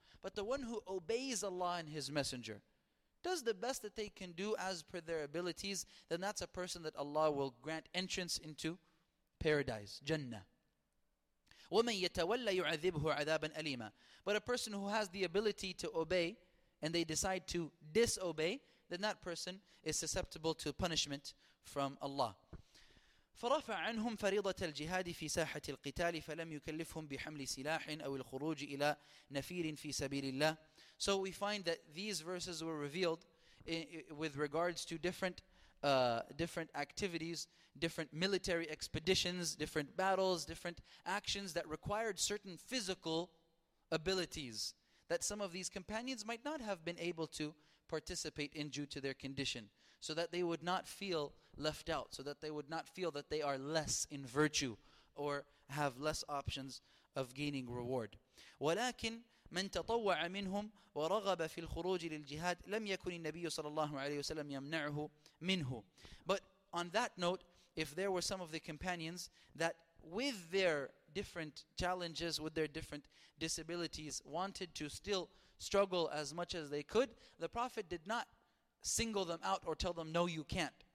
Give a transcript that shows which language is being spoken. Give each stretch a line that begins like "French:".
English: But the one who obeys Allah and His Messenger, does the best that they can do as per their abilities, then that's a person that Allah will grant entrance into paradise, Jannah.
Arabic: وَمَنْ يَتَوَلَّ يُعَذِّبْهُ عَذَابًا أَلِيمًا.
English: But a person who has the ability to obey and they decide to disobey, then that person is susceptible to punishment from Allah.
Arabic: فرفع عنهم فريضة الجهاد في ساحة القتال فلم يكلفهم بحمل سلاح أو الخروج إلى نفير في سبيل الله.
English: So we find that these verses were revealed with regards to different activities, different military expeditions, different battles, different actions that required certain physical abilities that some of these companions might not have been able to participate in due to their condition, so that they would not feel left out, so that they would not feel that they are less in virtue or have less options of gaining reward.
Arabic: ولكن من تطوع منهم ورغب في الخروج للجهاد لم يكن النبي صلى الله عليه وسلم يمنعه منه.
English: But on that note, if there were some of the companions that with their different challenges, with their different disabilities, wanted to still struggle as much as they could, the Prophet did not single them out or tell them, no, you can't.